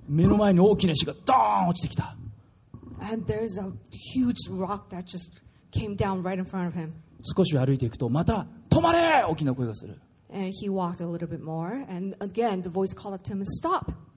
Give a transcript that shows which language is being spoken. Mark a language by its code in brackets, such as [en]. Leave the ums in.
[ja] 目の前に大きな石がドーン落ちてきた。 [en] And there's a huge rock that just came down right in front of him. [ja] 少し歩いていくと、また、止まれ大きな声がする。 [en] and he walked a little bit more, and again, the voice called to him, Stop!